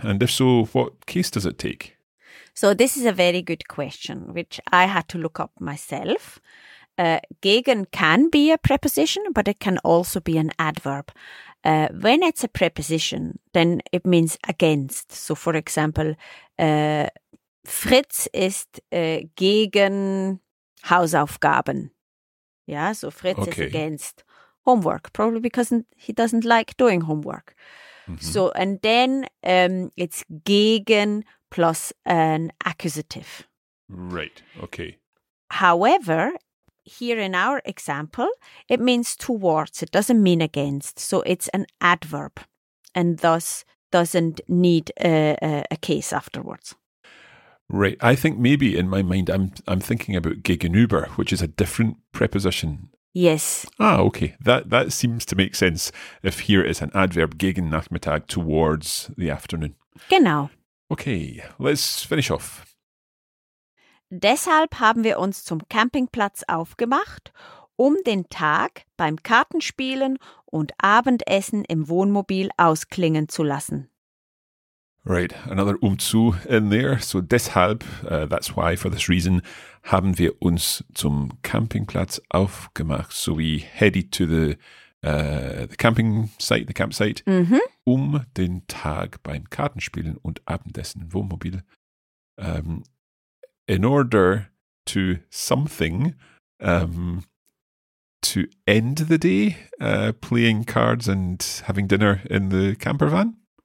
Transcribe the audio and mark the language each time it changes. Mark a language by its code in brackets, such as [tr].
[en] And if so, what case does it take? So this is a very good question, which I had to look up myself. Gegen can be a preposition, but it can also be an adverb. When it's a preposition, then it means against. So, for example, [de] Fritz ist gegen Hausaufgaben. [en] Yeah, so Fritz okay. is against homework, probably because he doesn't like doing homework. Mm-hmm. So, and then it's gegen plus an accusative. Right, okay. However, here in our example, it means towards. It doesn't mean against. So it's an adverb and thus doesn't need a case afterwards. Right. I think maybe in my mind I'm thinking about gegenüber, which is a different preposition. Yes. Ah, okay. That seems to make sense if here is an adverb, gegen Nachmittag, towards the afternoon. [de] Genau. [en] Okay, let's finish off. [de] Deshalb haben wir uns zum Campingplatz aufgemacht, um den Tag beim Kartenspielen und Abendessen im Wohnmobil ausklingen zu lassen. Right, another umzu in there. So deshalb, [en] that's why, for this reason, [de] haben wir uns zum Campingplatz aufgemacht. [en] So we headed to the campsite, mm-hmm. [de] um den Tag beim Kartenspielen und Abendessen im Wohnmobil [en] in order to something, to end the day, playing cards and having dinner in the camper van?